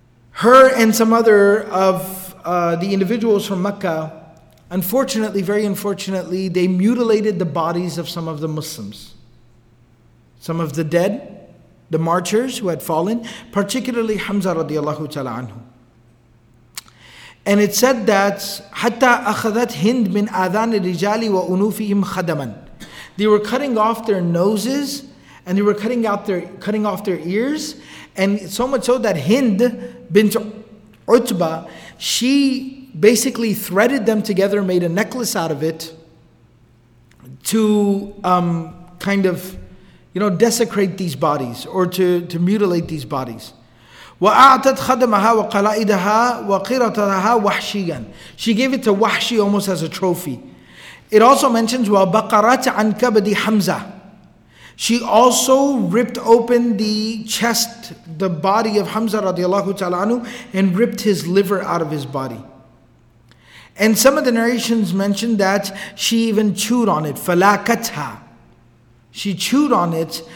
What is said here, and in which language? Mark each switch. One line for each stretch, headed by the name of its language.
English: her and some other of the individuals from Mecca, unfortunately, very unfortunately, they mutilated the bodies of some of the Muslims. Some of the dead, the martyrs who had fallen, particularly Hamza radiallahu ta'ala anhu. And it said that
Arabic: حَتَّى أَخَذَتْ هِنْدْ مِنْ أَذَانِ الرِّجَالِ وَأُنُوفِهِمْ خَدَمًا.
English: They were cutting off their noses, and they were cutting off their ears, and so much so that Hind bint Utba, she basically threaded them together, made a necklace out of it, to kind of, you know, desecrate these bodies or to mutilate these bodies.
Arabic: وَأَعْتَتْ خَدَمَهَا وَقَلَائِدَهَا وَقِرَتَهَا وَحْشِيًا.
English: She gave it to Wahshi almost as a trophy. It also mentions
Arabic: وَبَقَرَتْ عَنْ كَبَدِ حَمْزَةً.
English: She also ripped open the chest, the body of Hamza radiallahu ta'ala anhu, and ripped his liver out of his body. And some of the narrations mention that she even chewed on it.
Arabic: فَلَاكَتْهَا.
English: She chewed on it.